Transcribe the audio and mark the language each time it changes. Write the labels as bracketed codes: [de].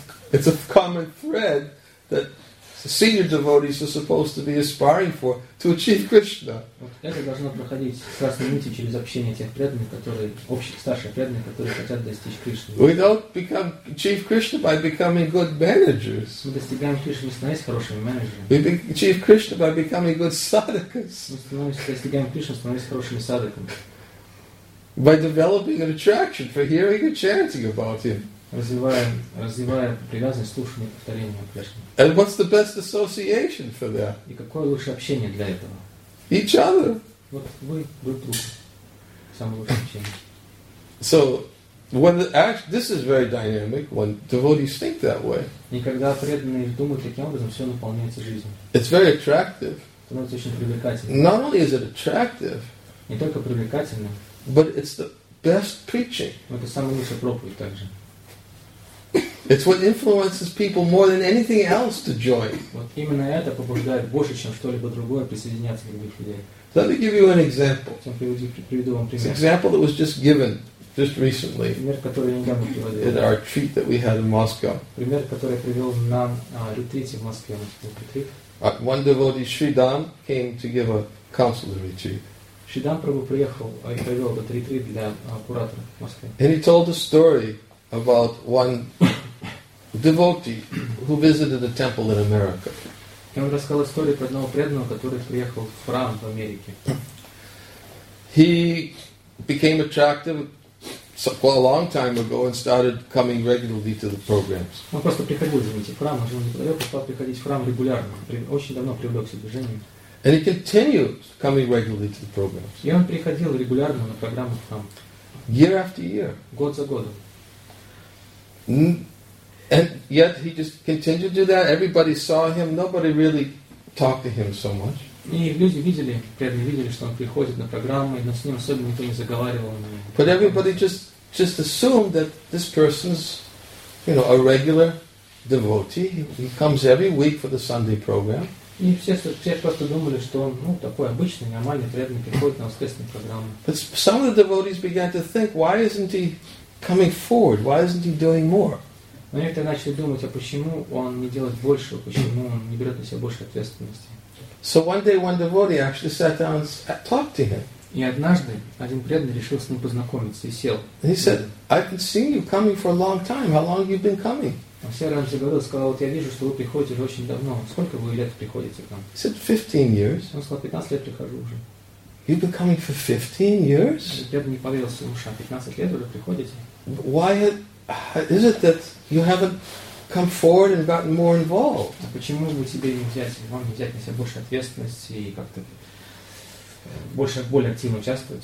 [en] It's a common thread that senior devotees are supposed to be aspiring for to achieve Krishna. [ru] Это должно проходить красной нитью через общение тех преданных, которые общих старших преданных, которые хотят достичь Кришны. [en] We don't become achieve Krishna by becoming good managers. [ru] Мы достигаем Кришны, становясь хорошими менеджерами. [en] We achieve Krishna by becoming good sadhakas. [ru] Мы достигаем Кришны, становясь хорошими садхаками. [en] By developing an attraction for hearing and chanting about Him. [ru] Развивая привязанность, слушание, повторение Кришны. [en] And what's the best association for that? [ru] И какое лучшее общение для этого? [en] Each other. [ru] Вот вы друг другу. Самое лучшее общение. [en] So, when this is very dynamic, when devotees think that way. [ru] И когда преданные думают таким образом, все наполняется жизнью. [en] It's very attractive. [ru] Становится очень привлекательным. [en] Not only is it attractive. [ru] Не только привлекательным. [en] But it's the best preaching. [ru] Это самая лучшая проповедь также. [en] It's what influences people more than anything else to join. [ru] Вот именно это побуждает больше, чем что-либо другое, присоединяться к других людей. [en] Let me give you an example. [ru] Приведу вам пример. [en] An example that was just given just recently. [ru] Пример, который я недавно приводил. [en] At our retreat that we had in Moscow. [ru] Пример, который я привел на ретрите в Москве. [en] One devotee, Shridam, came to give a counselor retreat. [ru] Shridam Prabhu приехал и провел этот ретрит для куратора в Москве. [en] And he told a story about one devotee who visited a temple in America. [ru] Он рассказал историю про одного преданного, который приехал в храм в Америке. [en] He became attractive quite a long time ago and started coming regularly to the programs. [ru] Он просто приходил, извините, в храм, он не стал приходить в храм регулярно. Очень давно привлекся к движению. [en] And he continued coming regularly to the programs. [ru] И он приходил регулярно на программы в храм. [en] Year after year. [ru] Год за годом. [en] And yet he just continued to do that. Everybody saw him. Nobody really talked to him so much. [ru] И люди видели, преданные видели, что он приходит на программу, но с ним особо никто не заговаривал. [en] But everybody just assumed that this person's, you know, a regular devotee. He comes every week for the Sunday program. [ru] И все просто думали, что он, ну, такой обычный, нормальный преданный, приходит на воскресную программу. [en] But some of the devotees began to think, why isn't he coming forward? Why isn't he doing more? [ru] Но некоторые начали думать, а почему он не делает больше, почему он не берет на себя больше ответственности. [en] So one day one devotee actually sat down and talked to him. [ru] И однажды один преданный решил с ним познакомиться и сел. [en] He said, I've been seeing you coming for a long time. How long have you been coming? [ru] Он все раньше говорил, сказал, вот я вижу, что вы приходите очень давно. Сколько вы лет приходите к нам? [en] He said, 15 years. [ru] Он сказал, 15 лет прихожу уже. [en] You've been coming for 15 years? [ru] Я бы не поверил своим ушам. 15 лет уже приходите? [en] Why is it that you haven't come forward and gotten more involved? [ru] Почему бы тебе не взять, вам не взять на себя больше ответственности и как-то больше, более активно участвовать.